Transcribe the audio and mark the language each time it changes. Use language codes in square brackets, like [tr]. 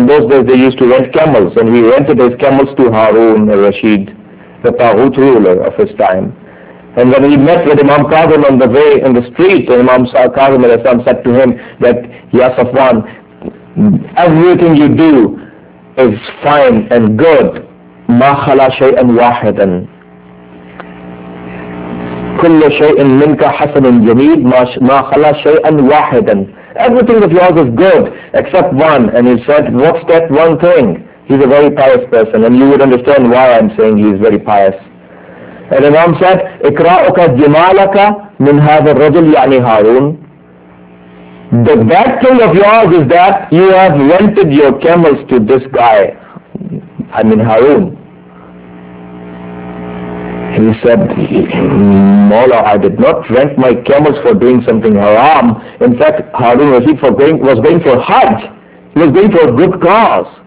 [en] In those days they used to rent camels, and he rented his camels to Harun al-Rashid, the Tawhid ruler of his time. And when he met with Imam Kazim on the way in the street, Imam Kazim alayhi salam said to him that, Ya Safwan, everything you do is fine and good. [ar] ما خلا شيئا واحدا كل شيء منك حسن جميل ما خلا شيئا واحدا. [en] Everything of yours is good except one. And he said, what's that one thing? He's a very pious person, and you would understand why I'm saying he's very pious. And Imam said, [ar] اقرأك جمالك من هذا الرجل يعني هارون. [en] The bad thing of yours is that you have rented your camels to this guy, I mean Harun. He said, Mawla, I did not rent my camels for doing something haram. In fact, Harun Rashid was going for Hajj. He was going for a good cause.